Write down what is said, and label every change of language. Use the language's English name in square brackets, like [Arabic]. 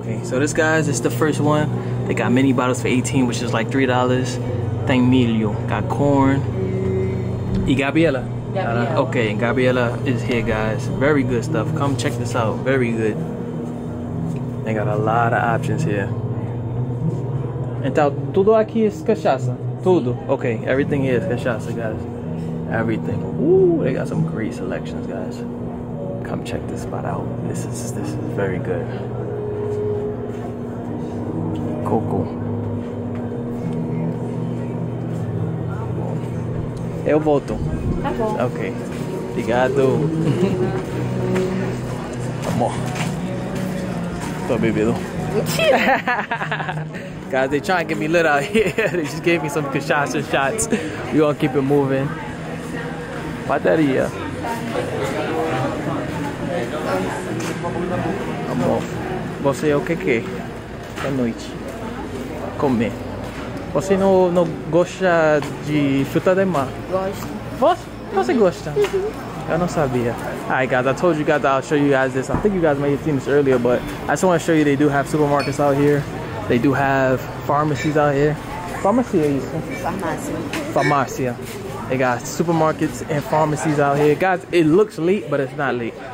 [English] So, this, guys, is the first one. They got mini bottles for 18, which is like $3. [Portuguese] Tem milho. [English] Got corn. Y Gabriela. Okay, Gabriela is here, guys. Very good stuff. Come check this out. Very good. They got a lot of options here. [Portuguese] Então, tudo aqui é cachaça. Tudo. [English] Okay, everything is cachaça, guys. Everything. Ooh, they got some great selections, guys. Come check this spot out. This is very good. [Portuguese] Coco. Eu volto. Tá bom. Okay. Obrigado. Amor. Tô bebido. Mentira. [English] Guys, they're trying to get me lit out here. They just gave me some cachaça shots. We're gonna keep it moving. [Portuguese] Bateria. Amor. Você é o que? Boa noite. Comer. Você não gosta de fruta de mar? Gosto. Você gosta? Eu não sabia. [English] All right, guys, I told you guys that I'll show you guys this. I think you guys may have seen this earlier, but I just want to show you they do have supermarkets out here. They do have pharmacies out here. Pharmacy, are you? [Portuguese] Farmacia. [English] They got supermarkets and pharmacies out here. Guys, it looks late, but it's not late.